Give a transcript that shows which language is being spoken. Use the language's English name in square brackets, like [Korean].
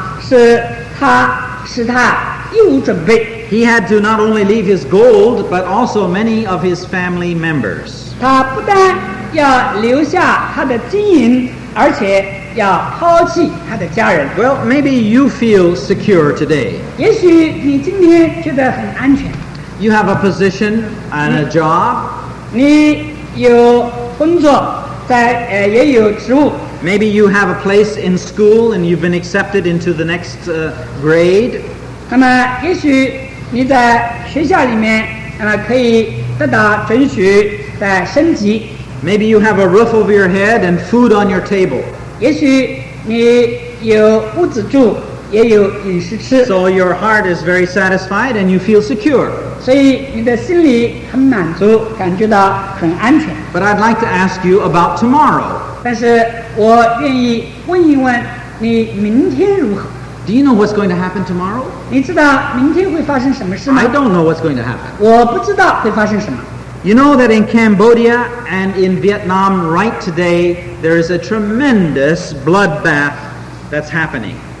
[Chinese] 那么越南这样突然的、这样迅速的沦亡，是他。 [English] He had to not only leave his gold, but also many of his family members. [Chinese] 他不但要留下他的金银，而且要抛弃他的家人。 [English] Well, maybe you feel secure today. [Chinese] 也许你今天觉得很安全。 [English] You have a position and a job. [Chinese] 你有工作，在也有职务。 [English] Maybe you have a place in school and you've been accepted into the next grade. [Chinese] 那么也许你在学校里面可以得到准许的升级。 [English] Maybe you have a roof over your head and food on your table. [Chinese] 也许你有屋子住，也有饮食吃。 [English] So your heart is very satisfied and you feel secure. [Chinese] 所以你的心里很满足，感觉到很安全。 [English] But I'd like to ask you about tomorrow. [Chinese] 但是我愿意问一问你明天如何。 [English] Do you know what's going to happen tomorrow? [Chinese] 你知道明天会发生什么事吗? [English] I don't know what's going to happen. [Chinese] 我不知道会发生什么。 [English] You know that in Cambodia and in Vietnam right today, there is a tremendous bloodbath that's happening.